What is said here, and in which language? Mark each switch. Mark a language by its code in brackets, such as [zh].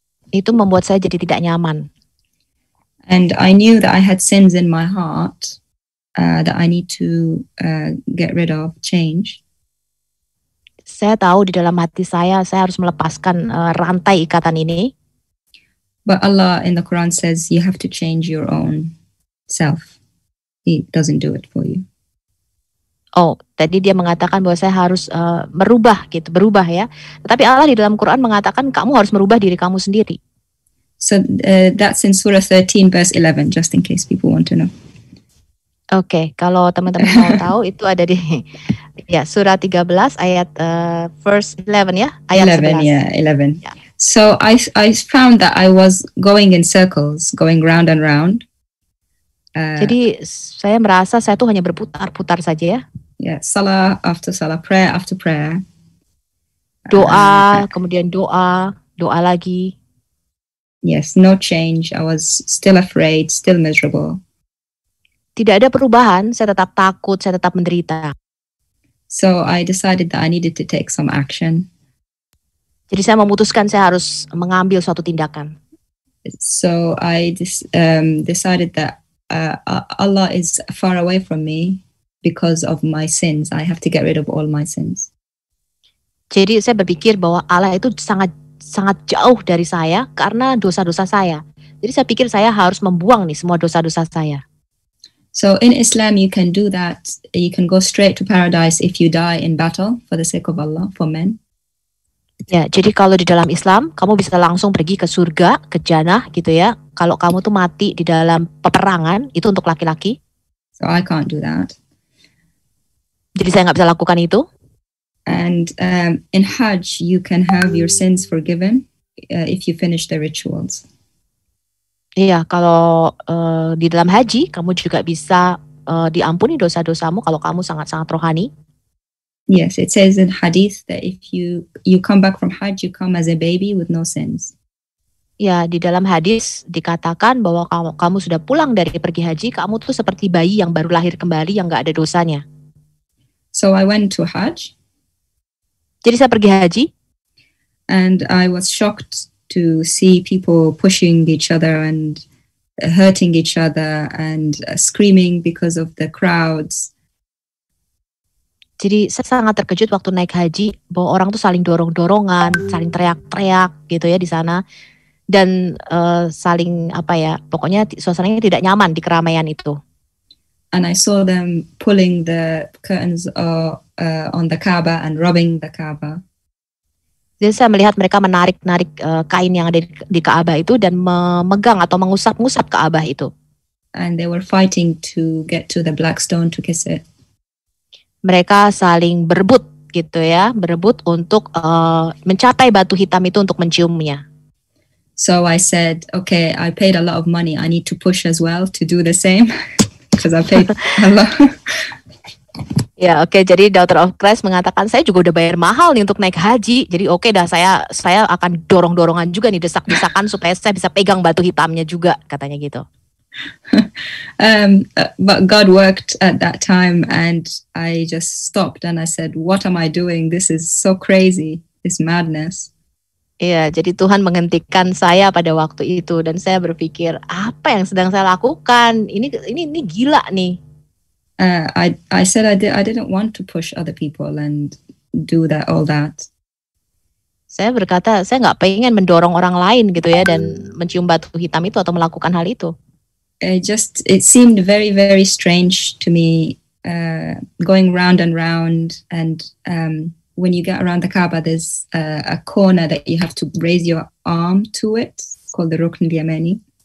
[id] Itu membuat saya jadi tidak nyaman. [en] And I knew that I had sins in my heart that I need to get rid of, change. [id] Saya tahu di dalam hati saya harus melepaskan rantai ikatan ini. [en] But Allah in the Quran says you have to change your own self. He doesn't do it for you. [id] Oh, tadi dia mengatakan bahwa saya harus merubah gitu, berubah ya. Tetapi Allah di dalam Quran mengatakan kamu harus merubah diri kamu sendiri. [en] So that's in Surah 13 verse 11, just in case people want to know. [id] Okay, kalau teman-teman mau tahu itu ada di ya, Surah 13 ayat verse 11 ya, ayat 11. 11 ya, yeah, 11. Yeah. [en] So I found that I was going in circles, going round and round. [id] Jadi saya merasa saya tuh hanya berputar-putar saja ya. [en] Yeah, salah after salah, prayer after prayer. [id] Doa lagi. [en] Yes, no change. I was still afraid, still miserable. [id] Tidak ada perubahan, saya tetap takut, saya tetap menderita. [en] So I decided that I needed to take some action. [id] Jadi saya memutuskan saya harus mengambil suatu tindakan. [en] So I decided that Allah is far away from me because of my sins. I have to get rid of all my sins. [id] Jadi saya berpikir bahwa Allah itu sangat sangat jauh dari saya karena dosa-dosa saya. Jadi saya pikir saya harus membuang nih semua dosa-dosa saya. [en] So in Islam you can do that. You can go straight to paradise if you die in battle for the sake of Allah, for men. [id] Ya, jadi kalau di dalam Islam, kamu bisa langsung pergi ke surga, ke jannah gitu ya. Kalau kamu tuh mati di dalam peperangan, itu untuk laki-laki. [en] So I can't do that. [id] Jadi saya gak bisa lakukan itu. [en] And in Hajj, you can have your sins forgiven if you finish the rituals. [id] Iya, kalau di dalam haji, kamu juga bisa diampuni dosa-dosamu kalau kamu sangat-sangat rohani. [en] Yes, it says in hadith that if you come back from Hajj, you come as a baby with no sins. [id] Ya, di dalam hadis dikatakan bahwa kamu sudah pulang dari pergi haji, kamu tuh seperti bayi yang baru lahir kembali yang enggak ada dosanya. [en] So I went to Hajj. [id] Jadi saya pergi haji. [en] And I was shocked to see people pushing each other and hurting each other and screaming because of the crowds. [id] Jadi saya sangat terkejut waktu naik haji bahwa orang tuh saling dorong-dorongan, saling teriak-teriak gitu ya di sana. Dan saling apa ya, pokoknya suasananya tidak nyaman di keramaian itu. [en] And I saw them pulling the curtains on the Kaaba and rubbing the Kaaba. [id] Jadi saya melihat mereka menarik-narik kain yang ada di Kaaba itu dan memegang atau mengusap-ngusap Kaaba itu. [en] And they were fighting to get to the black stone to kiss it. [id] Mereka saling berebut gitu ya, berebut untuk mencapai batu hitam itu untuk menciumnya. [en] So I said, okay, I paid a lot of money, I need to push as well to do the same, because I paid a lot. [id] Ya, oke. Okay. Jadi Daughter of Christ mengatakan, saya juga udah bayar mahal nih untuk naik haji. Jadi oke, okay dah, saya akan dorong-dorongan juga nih, desak-desakan supaya saya bisa pegang batu hitamnya juga, katanya gitu. [en] But God worked at that time and I just stopped and I said, what am I doing? This is so crazy. This madness. [id] Iya, jadi Tuhan menghentikan saya pada waktu itu dan saya berpikir, apa yang sedang saya lakukan? Ini gila nih. [en] I said I didn't want to push other people and do that all that. [id] Saya berkata saya enggak pengen mendorong orang lain gitu ya dan mencium batu hitam itu atau melakukan hal itu. [en] It seemed very very strange to me going round and round and when you get around the Kaaba there's a corner that you have to raise your arm to it called the Rukn al-Yamani.